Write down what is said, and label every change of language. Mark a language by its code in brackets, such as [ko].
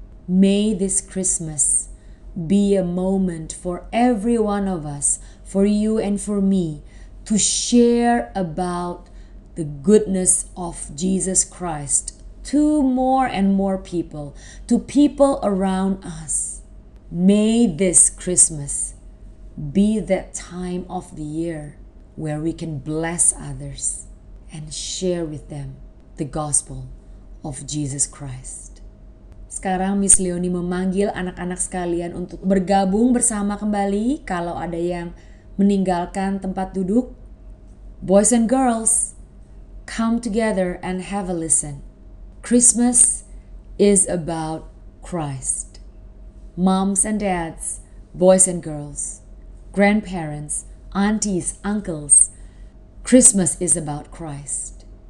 [en] May this Christmas be a moment for every one of us, for you and for me, to share about the goodness of Jesus Christ to more and more people, to people around us. May this Christmas be that time of the year where we can bless others and share with them the gospel of Jesus Christ. [id] Sekarang Miss Leonie memanggil anak-anak sekalian untuk bergabung bersama kembali kalau ada yang meninggalkan tempat duduk. [en] Boys and girls, come together and have a listen. Christmas is about Christ. Moms and dads, boys and girls, grandparents, aunties, uncles, Christmas is about Christ.